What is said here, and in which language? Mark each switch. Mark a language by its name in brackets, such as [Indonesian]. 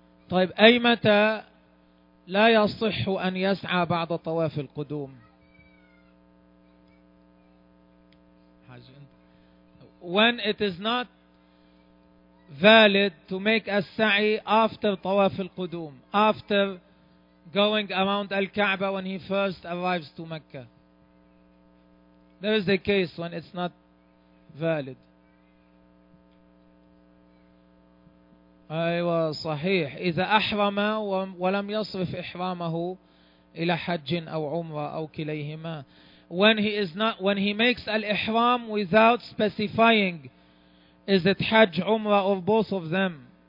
[Arabic] طيب أي متى لا يصح أن يسعى بعد طواف القدوم؟ [English] When it is not valid to make a sa'i after tawaf al-qudum, after going around al-Kaaba when he first arrives to Mecca. There is a case when it's not valid. [Arabic] أيوة صحيح. إذا أحرم ولم يصرف إحرامه إلى حج أو عمرة أو كليهما. [English] When he makes al-Ihram without specifying, is it Hajj, Umrah, or both of them?